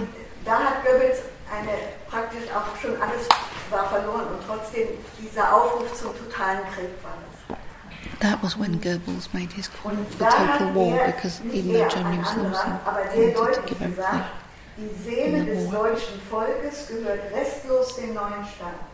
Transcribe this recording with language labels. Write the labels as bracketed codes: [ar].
[de] Und da hat Goebbels eine praktisch auch schon alles war verloren und trotzdem dieser Aufruf zum totalen Krieg war das. [en] That was when Goebbels made his call for total war, because even though Germany was losing, he wanted to give everything. [de] Die Seele des deutschen Volkes gehört restlos dem neuen Staat.